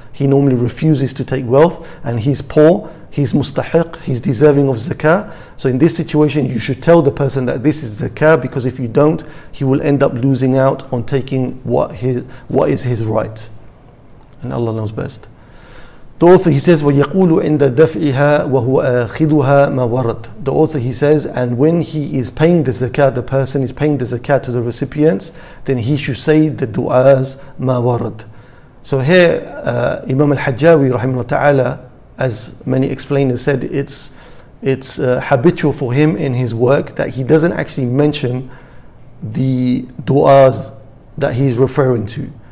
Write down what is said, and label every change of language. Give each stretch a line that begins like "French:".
English: He normally refuses to take wealth, and he's poor, he's mustahiq, he's deserving of zakah. So in this situation, you should tell the person that this is zakah, because if you don't, he will end up losing out on taking what is his right. And Allah knows best. The author, he says,
Arabic: وَيَقُولُ عِنْدَ دَفْعِهَا وَهُوَ أَخِذُهَا مَا وَرَدْ.
English: The author, he says, and when he is paying the zakat, the person is paying the zakat to the recipients, then he should say the du'as,
Arabic: مَا وَرَدْ.
English: So here, Imam al-Hajjawi, رحمه ta'ala, as many explainers said, it's habitual for him in his work that he doesn't actually mention the du'as that he's referring to.